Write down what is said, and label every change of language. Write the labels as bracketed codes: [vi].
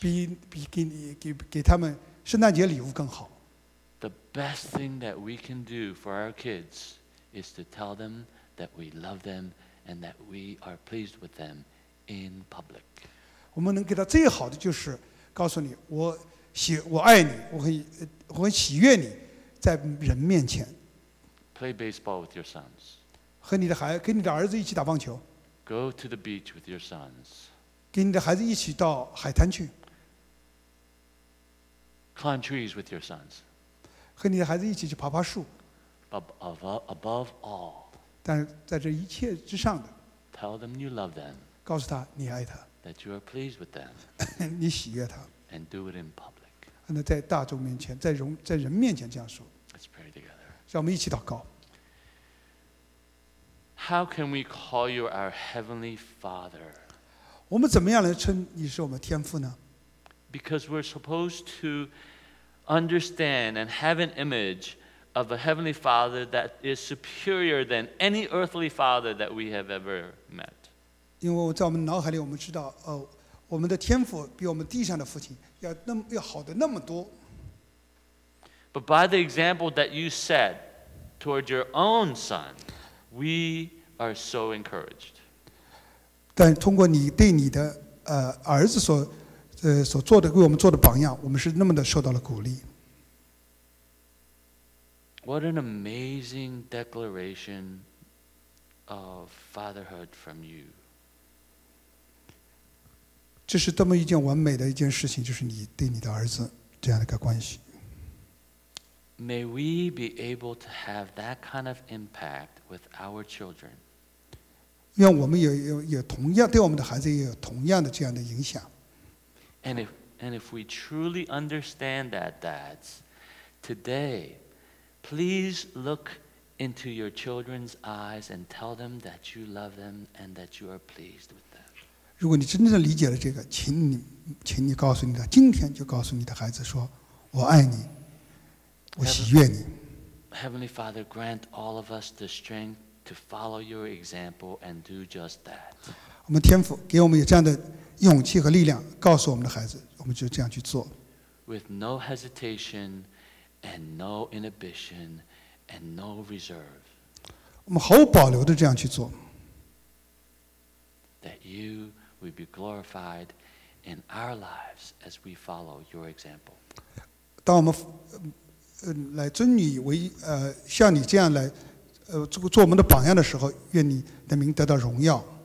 [zh] 比给他们圣诞节礼物更好。 [en] The best thing that we can do for our kids. Is to tell them that we love them and that we are pleased with them in public. [zh] 我们能给他最好的就是告诉你，我爱你，我很喜悦你，在人面前。 [en] Play baseball with your sons. [zh] 和你的孩跟你的儿子一起打棒球。 [en] Go to the beach with your sons. [zh] 跟你的孩子一起到海滩去。 [en] Climb trees with your sons. [zh] 和你的孩子一起去爬爬树。 [en] Above all, [zh] 但在这一切之上的 [en] tell them you love them, [zh] 告诉他你爱他 [en] that you are pleased with them, [zh] 你喜悦他 [en] and do it in public. [zh] 那在大众面前，在人面前这样说。 [en] Let's pray together. [zh] 让我们一起祷告。 [en] How can we call you our heavenly Father? [zh] 我们怎么样来称你是我们天父呢？ [en] Because we're supposed to understand and have an image. Of a heavenly father that is superior than any earthly father that we have ever met. [zh] 因为在我们脑海里，我们知道，我们的天父比我们地上的父亲要好的那么多。 [en] But by the example that you set toward your own son, we are so encouraged. [zh] 但通过你对你的儿子所做的为我们做的榜样，我们是那么的受到了鼓励。 [en] What an amazing declaration of fatherhood from you. [zh] 这是这么一件完美的一件事情，就是你对你的儿子这样的一个关系。 [en] May we be able to have that kind of impact with our children. [zh] 让我们也同样对我们的孩子也有同样的这样的影响。 [en] And if we truly understand that, dads, today,Please look into your children's eyes and tell them that you love them and that you are pleased with them. [zh] 如果你真正理解了这个，请你告诉你的，今天就告诉你的孩子说，我爱你，我喜悦你。 [en] Heavenly Father, grant all of us the strength to follow your example and do just that. [zh] 我们天父给我们有这样的勇气和力量，告诉我们的孩子，我们就这样去做。 [en] With no hesitation. And no inhibition, and no reserve. [zh] 我们毫无保留地这样去做。 [en] That you will be glorified in our lives as we follow your example. [zh] 当我们来尊你为像你这样来做我们的榜样的时候，愿你的名得到荣耀。